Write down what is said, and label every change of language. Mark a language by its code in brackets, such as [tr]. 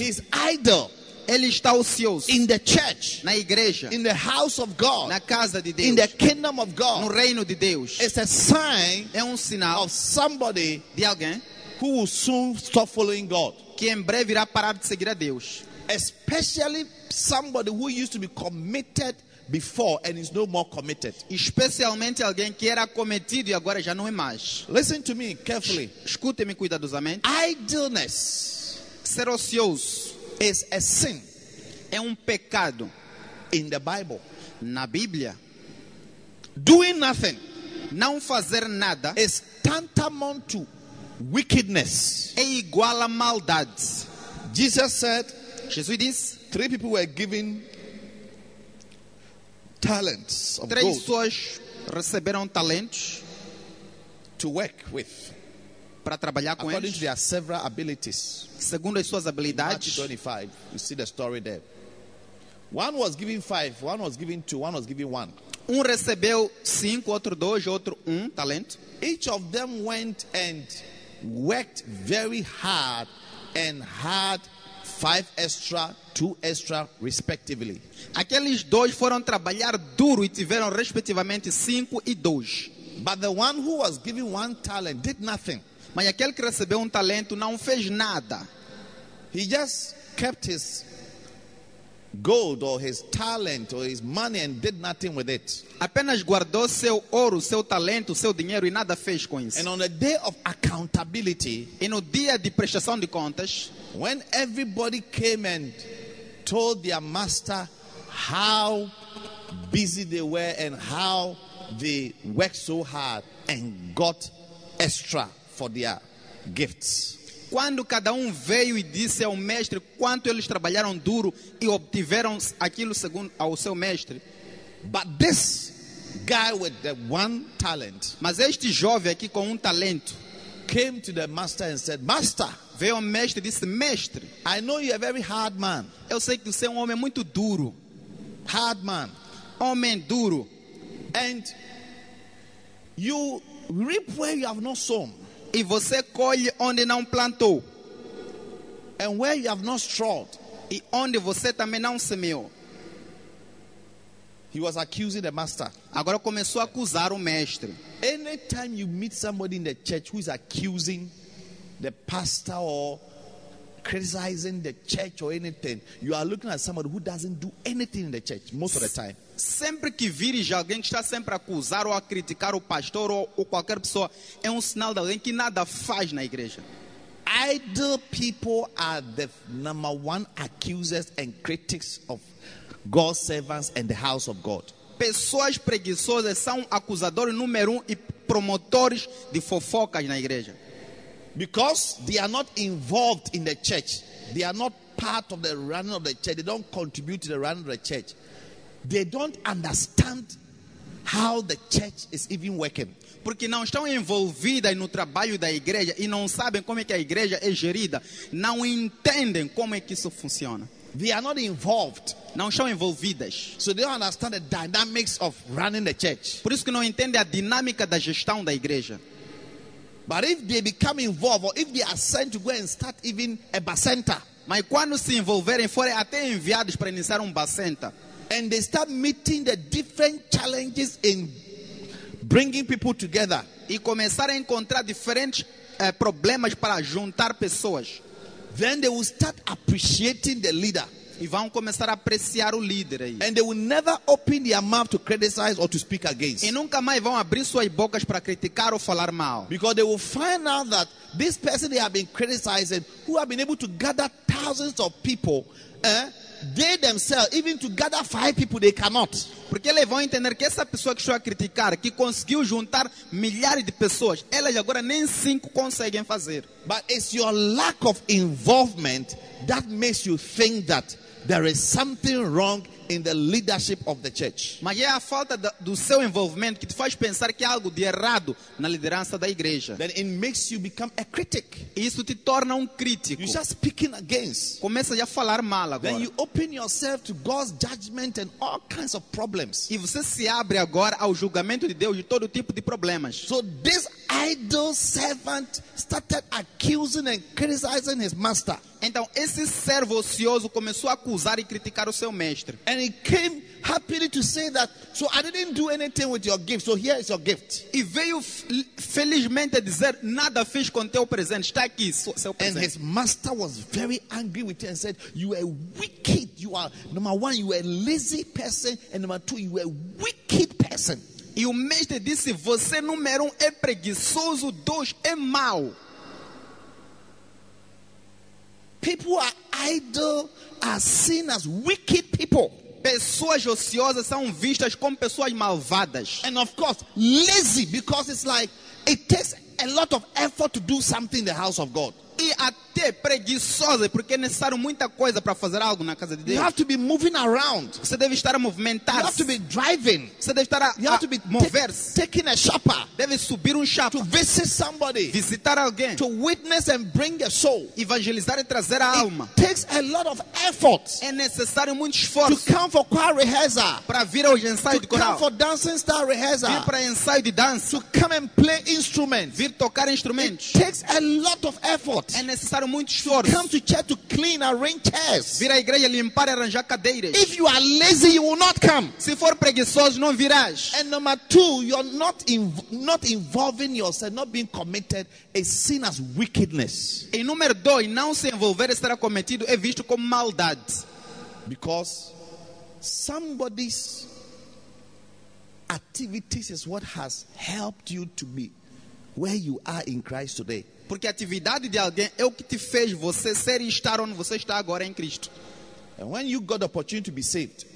[en] He is idle. [pt] Ele está ocioso. [en] In the church. [pt] Na igreja. [en] In the house of God. [pt] Na casa de Deus. [en] In the kingdom of God. [pt] No reino de Deus. [en] It's a sign. [pt] É sinal. [en] Of somebody. [pt] De alguém. [en] Who will soon stop following God. [pt] Que em breve irá parar de seguir a Deus. [en] Especially somebody who used to be committed before and is no more committed. [pt] Especialmente alguém que era cometido e agora já não é mais. [en] Listen to me carefully. [pt] Escute-me cuidadosamente. [en] Idleness. [pt] Ser ocioso. [en] Is a sin. [pt] É pecado. [en] In the Bible. [pt] Na Bíblia. [en] Doing nothing, [pt] não fazer nada, [en] is tantamount to wickedness. [pt] É igual a maldade. [en] Jesus said, [pt] Jesus disse, [en] three people were given talents of [pt] três [en] gold. [pt] Três pessoas receberam talentos [en] to work with. [pt] Para trabalhar com [en] according [pt] eles. [en] To their several abilities. [pt] Segundo as suas habilidades. [en] Matthew 25, you see the story there. One was given five, one was given two, one was given one. [pt] Um recebeu cinco, outro dois, outro um talento. [en] Each of them went and worked very hard and had five extra, two extra, respectively. [pt] Aqueles dois foram trabalhar duro e tiveram respectivamente cinco e dois. [en] But the one who was given one talent did nothing. [pt] Mas aquele que recebeu um talento não fez nada. [en] He just kept his gold or his talent or his money and did nothing with it. [pt] Apenas guardou seu ouro, seu talento, seu dinheiro e nada fez com isso. [en] And on the day of accountability, [pt] e no dia de prestação de contas, [en] when everybody came and told their master how busy they were and how they worked so hard and got extra for their gifts. [pt] Quando cada veio e disse ao mestre quanto eles trabalharam duro e obtiveram aquilo segundo ao seu mestre. [en] But this guy with the one talent, [pt] mas este jovem aqui com talento, [en] came to the master and said, "Master," [pt] veio ao mestre e disse, "Mestre, [en] I know you are a very hard man." [pt] Eu sei que você é homem muito duro. [en] Hard man. [pt] Homem duro. [en] And you reap where you have not sown. [pt] E você colhe onde não plantou. [en] And where you have not sowed. [pt] E onde você também não semeou. [en] He was accusing the master. [pt] Agora começou a acusar o mestre. [en] Anytime you meet somebody in the church who is accusing the pastor or criticizing the church or anything, you are looking at somebody who doesn't do anything in the church most of the time. [pt] Sempre que vires alguém que está sempre a acusar ou a criticar o pastor ou qualquer pessoa, é sinal de alguém que nada faz na igreja. [en] Idle people are the number one accusers and critics of God's servants and the house of God. [pt] Pessoas preguiçosas são acusadores número um e promotores de fofocas na igreja. [en] Because they are not involved in the church. They are not part of the running of the church. They don't contribute to the running of the church. They don't understand how the church is even working. [pt] Porque não estão envolvidas no trabalho da igreja e não sabem como é que a igreja é gerida. Não entendem como é que isso funciona. [en] They are not involved. [pt] Não estão envolvidas. [en] So they don't understand the dynamics of running the church. [pt] Por isso que não entendem a dinâmica da gestão da igreja. [en] But if they become involved, or if they are sent to go and start even a bacenta, [pt] mas quando se envolverem, forem até enviados para iniciar bacenta, [en] and they start meeting the different challenges in bringing people together, [pt] e começarem a encontrar diferentes problemas para juntar pessoas, [en] then they will start appreciating the leader. [pt] E vão começar a apreciar o líder aí. [en] And they will never open their mouth to criticize or to speak against. [pt] E nunca mais vão abrir suas bocas para criticar ou falar mal. [en] Because they will find out that this person they have been criticizing, who have been able to gather thousands of people, they themselves, even to gather five people, they cannot. [pt] Porque eles vão entender que essa pessoa que estou a criticar, que conseguiu juntar milhares de pessoas, elas agora nem cinco conseguem fazer. [en] But it's your lack of involvement that makes you think that there is something wrong in the leadership of the church. [pt] Mas é a falta do seu envolvimento que te faz pensar que há algo de errado na liderança da igreja. [en] Then it makes you become a critic. [pt] Isso te torna crítico. [en] You start speaking against. [pt] Começa a falar mal agora. [en] Then you open yourself to God's judgment and all kinds of problems. [pt] E você se abre agora ao julgamento de Deus e todo tipo de problemas. [en] So this idle servant started accusing and criticizing his master. [pt] Então esse servo ocioso começou a acusar e criticar o seu mestre. [en] And he came happily to say that, "So I didn't do anything with your gift. So here is your gift." [pt] E veio felizmente dizer, "Nada fiz com teu presente. Está aqui seu presente." [en] And his master was very angry with him and said, "You are wicked. You are number one, you are a lazy person, and number two, you are a wicked person." [pt] E o mestre disse, "Você número um é preguiçoso, dois é mau." [en] People are idle, are seen as wicked people. [pt] Pessoas ociosas são vistas como pessoas malvadas. [en] And of course, lazy, because it's like it takes a lot of effort to do something in the house of God. [pt] E até preguiçosa, porque é necessário muita coisa para fazer algo na casa de Deus. [en] You have to be moving around. [pt] Você deve estar a movimentar-se. [en] You have to be driving. [pt] Você deve estar a [en] you have to be [pt] mover-se. [en] Taking a chopper. [pt] Deve subir chopper. [en] To visit somebody. [pt] Visitar alguém. [en] To witness and bring a soul. [pt] Evangelizar e trazer a alma. [en] It takes a lot of effort. [pt] É necessário muito esforço. [en] To come for choir rehearsal. [pt] Para vir ao ensaio [en] to [pt] de coral. [en] To come for dancing star rehearsal. [pt] Vir para ensaio de dança. [en] To come and play instruments. [pt] Vir tocar instrumentos. [en] It takes a lot of effort. [pt] É necessário muito esforço. [en] Come to church to clean, arrange chairs. [pt] Vir à igreja limpar e arranjar cadeiras. [en] If you are lazy, you will not come. [pt] Se for preguiçoso, não virás. [en] And number two, you're not involving yourself, not being committed, is seen as wickedness. [pt] E número dois, não se envolver e estar cometido é visto como maldade. [en] Because somebody's activities is what has helped you to be where you are in Christ today. [pt] Porque a atividade de alguém é o que te fez você ser e estar onde você está agora em Cristo. [en] And when you got the opportunity to be saved,